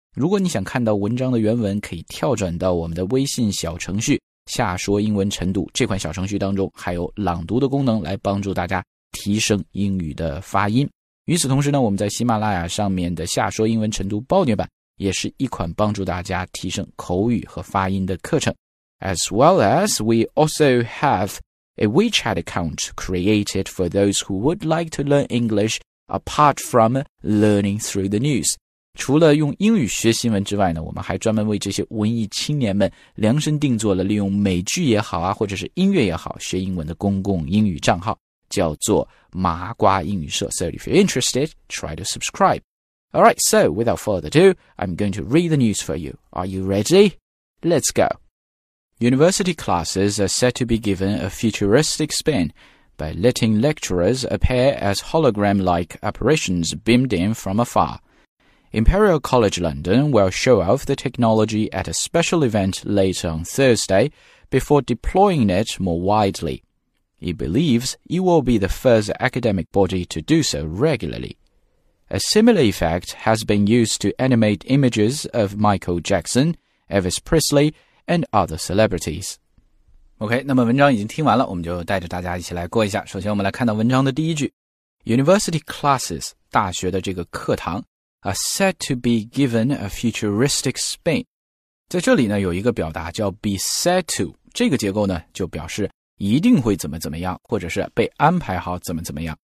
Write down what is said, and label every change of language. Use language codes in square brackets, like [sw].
[zh] 如果你想看到文章的原文，可以跳转到我们的微信小程序夏说英文晨读，这款小程序当中还有朗读的功能，来帮助大家提升英语的发音。与此同时呢，我们在喜马拉雅上面的夏说英文晨读暴虐版也是一款帮助大家提升口语和发音的课程。 [en] As well as we also haveA WeChat account created for those who would like to learn English apart from learning through the news. [zh] 除了用英语学新闻之外呢，我们还专门为这些文艺青年们量身定做了利用美剧也好啊，或者是音乐也好，学英文的公共英语账号，叫做麻瓜英语社。 [en] So if you're interested, try to subscribe. All right, so without further ado, I'm going to read the news for you. Are you ready? Let's go. University classes are set to be given a futuristic spin by letting lecturers appear as hologram-like apparitions beamed in from afar. Imperial College London will show off the technology at a special event later on Thursday before deploying it more widely. It believes it will be the first academic body to do so regularly. A similar effect has been used to animate images of Michael Jackson, Elvis Presley,and other celebrities. [zh] OK, 那么文章已经听完了，我们就带着大家一起来过一下。首先我们来看到文章的第一句。 [en] University classes, [zh] 大学的这个课堂 [en] are set to be given a futuristic spin. [zh] 在这里呢有一个表达叫 [en] be set to, [zh] 这个结构呢就表示一定会怎么怎么样，或者是被安排好怎么怎么样。